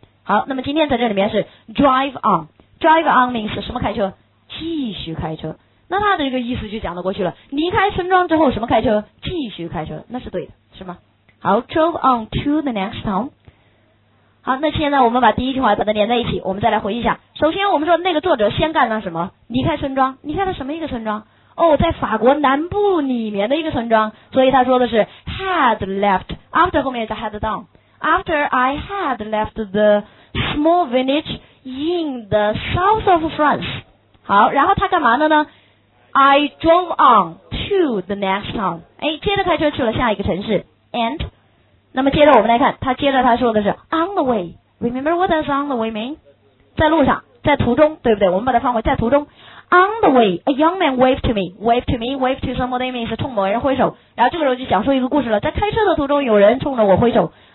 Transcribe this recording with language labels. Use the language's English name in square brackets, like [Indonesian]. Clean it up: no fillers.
[Chinese] 好，那么今天在这里面是 drive on， drive on means 什么？开车，继续开车，那他的这个意思就讲得过去了，离开村庄之后什么？开车，继续开车，那是对的，是吗？ [English] 好， drove on to the next town。 [Chinese] 好，那现在我们把第一句话把它连在一起，我们再来回忆一下。首先我们说那个作者先干了什么？离开村庄，离开了什么一个村庄？哦，在法国南部里面的一个村庄，所以他说的是 [English] had left， after 后面是 had down， after I had left the small village in the south of France。 [Chinese] 好，然后他干嘛的呢？ [English] I drove on to the next town， [Chinese] 哎，接着开车去了下一个城市。 and 那么接着我们来看，他接着他说的是 on the way， [English] remember what does on the way mean？ [Chinese] 在路上，在途中，对不对？我们把它放回在途中。 [English] On the way, a young man waved to me. Wave to me, wave to somebody means [Chinese] 冲某人挥手。然后这个时候就讲述一个故事了，在开车的途中有人冲着我挥手。